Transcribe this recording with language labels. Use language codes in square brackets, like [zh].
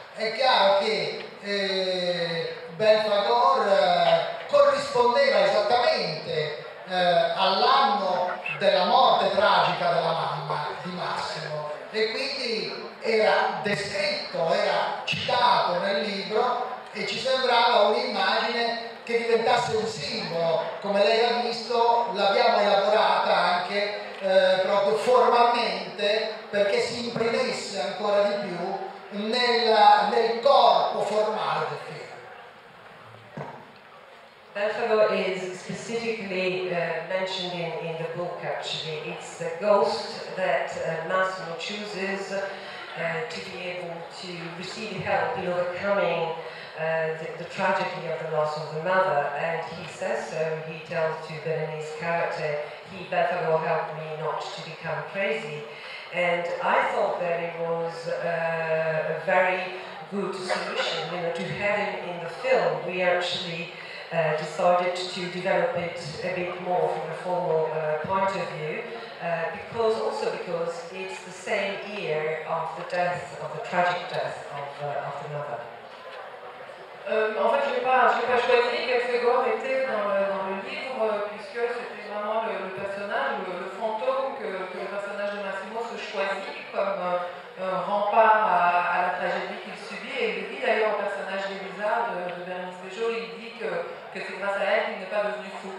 [it] È chiaro che Belfagor corrispondeva esattamente all'anno della morte tragica della mamma di Massimo e quindi era descritto, era citato nel libro e ci sembrava un'immagine che diventasse un simbolo, come lei ha visto, l'abbiamo elaborata anche proprio formalmente perché si imprimesse ancora di più nel corpo formale del film. [en] Belfago is specifically mentioned in the book actually. It's the ghost that Massimo chooses to be able to receive help in overcoming the tragedy of the loss of the mother, and he says so. He tells to Bellocchio's character, he better will help me not to become crazy. And I thought that it was a very good solution, you know, to have it in the film. We actually decided to develop it a bit more from a formal point of view, because it's the same year of the death, of the tragic death of the mother. [fr] En fait, je n'ai pas choisi Belfagor était dans le livre, puisque c'était vraiment le personnage, le fantôme que le personnage de Massimo se choisit comme un rempart à la tragédie qu'il subit. Et il dit d'ailleurs au personnage d'Elisa de Bernice Bejot, il dit que c'est grâce à elle qu'il n'est pas devenu fou.